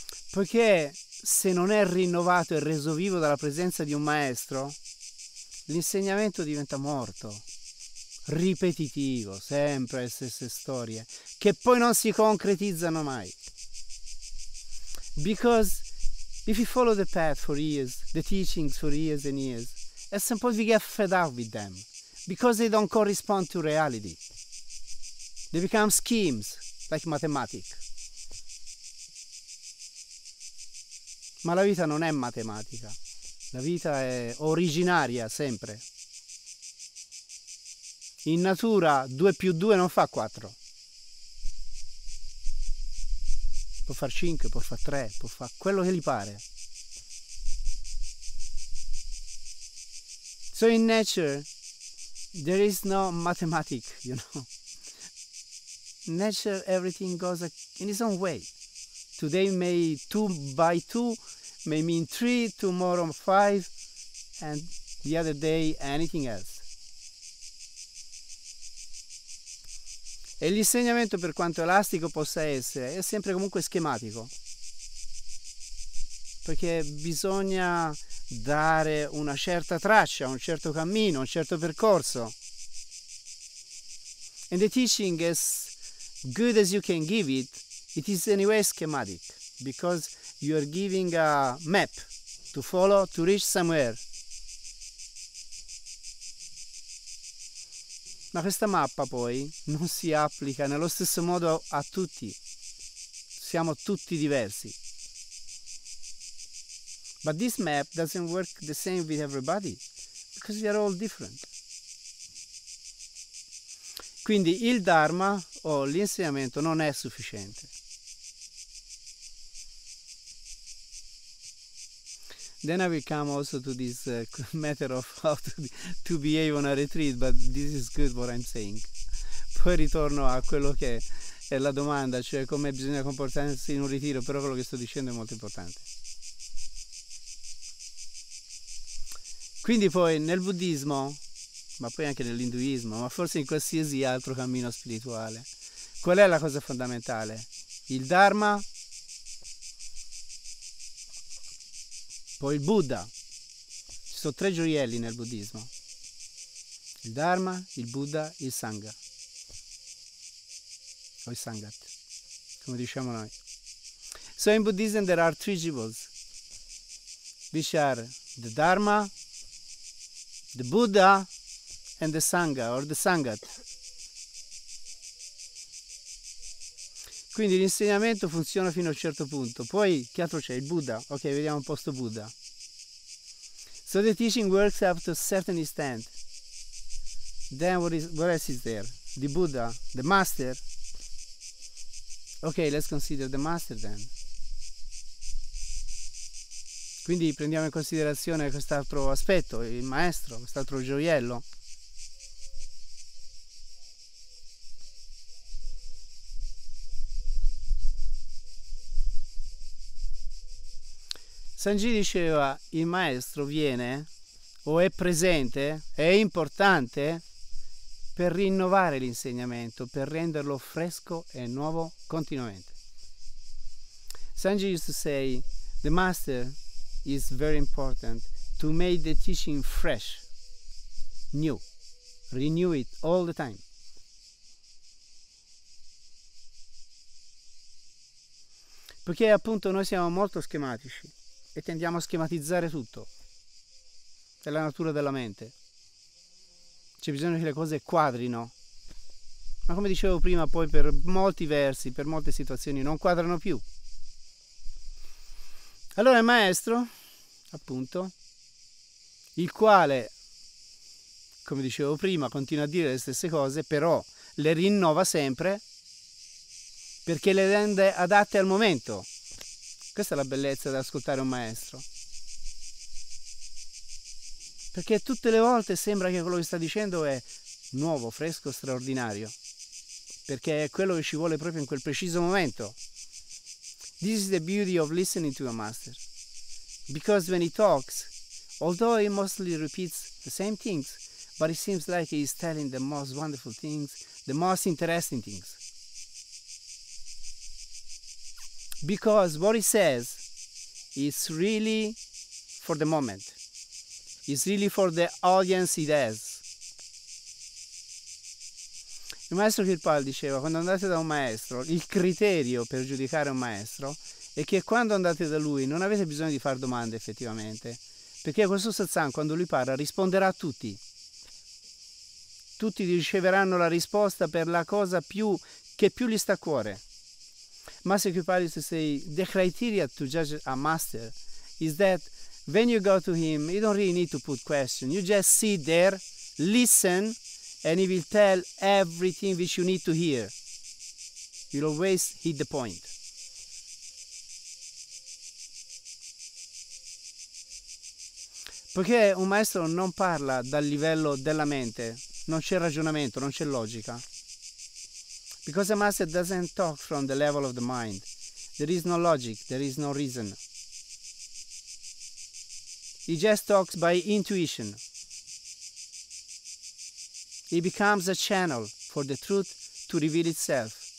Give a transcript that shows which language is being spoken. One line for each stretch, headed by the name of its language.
Italian: Poiché se non è rinnovato e reso vivo dalla presenza di un maestro, l'insegnamento diventa morto, ripetitivo, sempre le stesse storie, che poi non si concretizzano mai.
English: Because if you follow the path for years, the teachings for years and years, at some point we get fed up with them, because they don't correspond to reality. They become schemes, like mathematics.
Italian: Ma la vita non è matematica, la vita è originaria sempre. In natura 2 più 2 non fa 4. Può far 5, può far 3, può far quello che gli pare.
English: So in nature there is no mathematics, you know. Nature everything goes in its own way. Today may 2 by 2 may mean 3, tomorrow 5, and the other day anything else.
Italian: E l'insegnamento, per quanto elastico possa essere, è sempre comunque schematico, perché bisogna dare una certa traccia, un certo cammino, un certo percorso.
English: And the teaching, as good as you can give it, it is anyway schematic, because you are giving a map to follow to reach somewhere.
Italian: Ma questa mappa poi non si applica nello stesso modo a tutti. Siamo tutti diversi.
English: But this map doesn't work the same with everybody, because we are all different.
Italian: Quindi il Dharma o l'insegnamento non è sufficiente.
English: Then I will come also to this matter of how to behave on a retreat, but this is good what I'm saying.
Italian: Poi ritorno a quello che è la domanda, cioè come bisogna comportarsi in un ritiro, però quello che sto dicendo è molto importante. Quindi poi nel buddismo, ma poi anche nell'induismo, ma forse in qualsiasi altro cammino spirituale, qual è la cosa fondamentale? Il Dharma? Poi il Buddha. Ci sono tre gioielli nel buddismo: il Dharma, il Buddha, il Sangha. O il Sangat, come diciamo noi.
English: So in Buddhism there are three jewels, which are the Dharma, the Buddha, and the Sangha, or the Sangat.
Italian: Quindi l'insegnamento funziona fino a un certo punto. Poi che altro c'è? Il Buddha. Ok, vediamo un posto Buddha.
English: So the teaching works up to a certain extent. Then what else is there? The Buddha, the master. Okay, let's consider the master then.
Italian: Quindi prendiamo in considerazione quest'altro aspetto, il maestro, quest'altro gioiello. Sanji diceva, il maestro viene o è presente, è importante per rinnovare l'insegnamento, per renderlo fresco e nuovo continuamente.
English: Sanji used to say, the master is very important to make the teaching fresh, new, renew it all the time.
Italian: Perché appunto noi siamo molto schematici. E tendiamo a schematizzare tutto. È la natura della mente. C'è bisogno che le cose quadrino. Ma come dicevo prima, poi per molti versi, per molte situazioni, non quadrano più. Allora il maestro, appunto, il quale, come dicevo prima, continua a dire le stesse cose, però le rinnova sempre perché le rende adatte al momento. Questa è la bellezza di ascoltare un maestro. Perché tutte le volte sembra che quello che sta dicendo è nuovo, fresco, straordinario. Perché è quello che ci vuole proprio in quel preciso momento.
English: This is the beauty of listening to a master. Because when he talks, although he mostly repeats the same things, but it seems like he is telling the most wonderful things, the most interesting things. Because what he says is really for the moment. It's really for the audience it has.
Italian: Il maestro Kirpal diceva, quando andate da un maestro, il criterio per giudicare un maestro è che quando andate da lui non avete bisogno di fare domande effettivamente, perché questo satsang, quando lui parla, risponderà a tutti. Tutti riceveranno la risposta per la cosa più che più gli sta a cuore.
English: Master Kirpal used to say, the criteria to judge a master is that when you go to him, you don't really need to put questions. You just sit there, listen, and he will tell everything which you need to hear. You'll always hit the point.
Italian: Perché un maestro non parla dal livello della mente. Non c'è ragionamento, non c'è logica.
English: Because a master doesn't talk from the level of the mind. There is no logic, there is no reason. He just talks by intuition. He becomes a channel for the truth to reveal itself.